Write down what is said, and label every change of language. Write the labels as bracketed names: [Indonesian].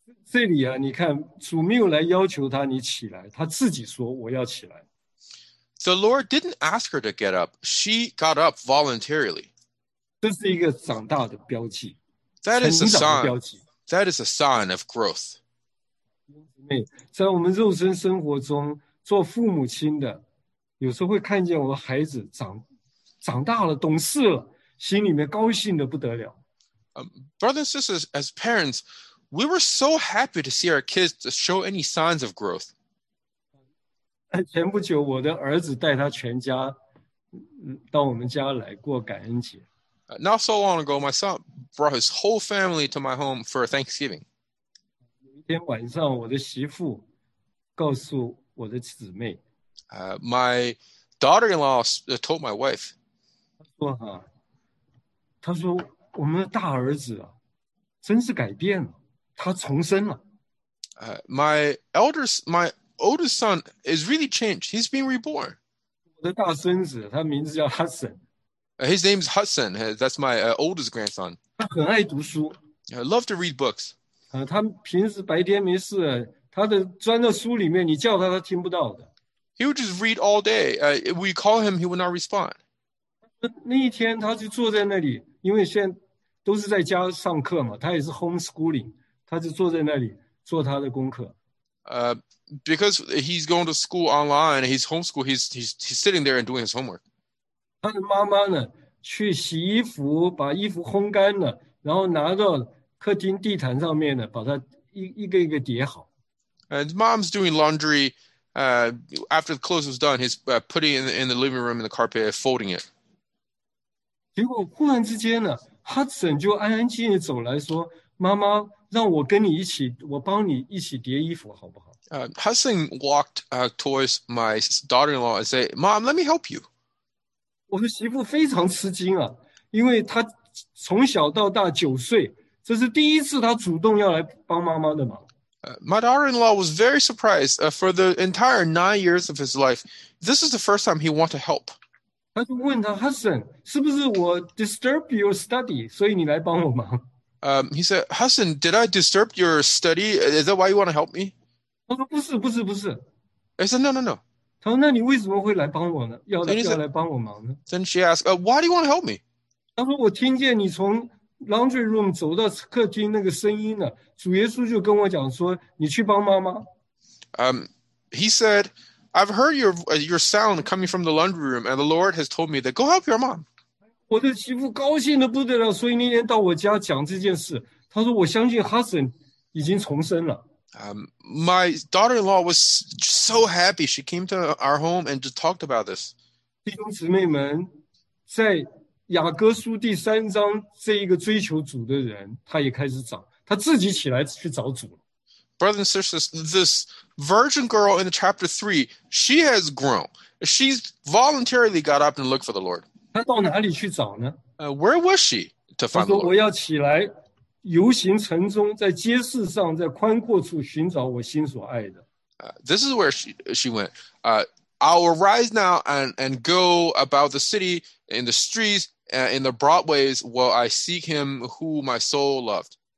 [Chinese] 这里啊，你看，主没有来要求他你起来，他自己说我要起来。 [English] The Lord didn't ask her to get up. She got up voluntarily. [Chinese] 这是一个长大的标记。 [English] That is a sign. That is a sign of growth. [Chinese] 在我们肉身生活中，做父母亲的有时候会看见我的孩子 长大了懂事了，心里面高兴得不得了。 [English] Brothers and sisters, as parents, we were so happy to see our kids to show any signs of growth. [Chinese] 前不久我的儿子带他全家到我们家来过感恩节。 [English] Not so long ago, my son brought his whole family to my home for Thanksgiving. [Chinese] 有一天晚上我的媳妇告诉我的姊妹。 [English] My daughter-in-law told my wife. [Chinese] 她说我们的大儿子啊，真是改变了，他重生了。 [English] My oldest son is really changed. He's been reborn. [Chinese] 我的大孙子，他名字叫 Hudson. [English] His name is Hudson. That's my oldest grandson. [Chinese] 他很爱读书。 [English] I love to read books. [Chinese] 他平时白天没事，他的钻到书里面，你叫他听不到的。 [English] He would just read all day. We call him, he would not respond. [Chinese] 那一天他就坐在那里，因为现在都是在家上课嘛，他也是 homeschooling， 他就坐在那里做他的功课。 [English] Because he's going to school online, he's homeschool, he's sitting there and doing his homework. [Chinese] 他的妈妈呢，去洗衣服，把衣服烘干了，然后拿到客厅地毯上面呢，把它一个叠好。 [English] And mom's doing laundry. After the clothes was done, he's putting in the living room in the carpet, folding it. [Chinese] 结果忽然之间呢 ，Hudson 就安安静静走来说：“妈妈，让我跟你一起，我帮你一起叠衣服，好不好？” [English] Hudson walked towards my daughter-in-law and said, "Mom, let me help you." [Chinese] 我的媳妇非常吃惊啊，因为她从小到大九岁，这是第一次她主动要来帮妈妈的忙。 [English] My daughter-in-law was very surprised. For the entire 9 years of his life, this is the first time he wanted to help. [Chinese] 他就问他, Hudson, 是不是我 [English] disturb your study, [Chinese] 所以你来帮我忙? [English] He said, Hudson, did I disturb your study? Is that why you want to help me? [Chinese] 他说不是。 [English] I said, no. [Chinese] 他说那你为什么会来帮我呢? 要来帮我忙呢? [English] Then she asked, why do you want to help me? [Chinese] 他说我听见你从 laundry room 走到客厅那个声音了, 主耶稣就跟我讲说, 你去帮妈妈? [English] He said, I've heard your sound coming from the laundry room, and the Lord has told me that go help your mom. [Chinese] 我的媳妇高兴得不得了, 所以那天到我家讲这件事, 他说我相信哈森已经重生了。 [English] My daughter-in-law was so happy. She came to our home and just talked about this. [Chinese] 弟兄姊妹们, 在雅各书第三章这一个追求主的人, 他也开始找, 他自己起来去找主。 [English] Brothers and sisters, this virgin girl in chapter 3, she has grown. She's voluntarily got up and looked for the Lord. [Chinese] 她到哪里去找呢? [English] Where was she to find the Lord? [Chinese] 她说我要起来, 游行城中, 在街市上, 在宽阔处寻找我心所爱的。 [English] This is where she went. I'll arise now and go about the city, in the streets, in the broadways, while I seek him who my soul loved.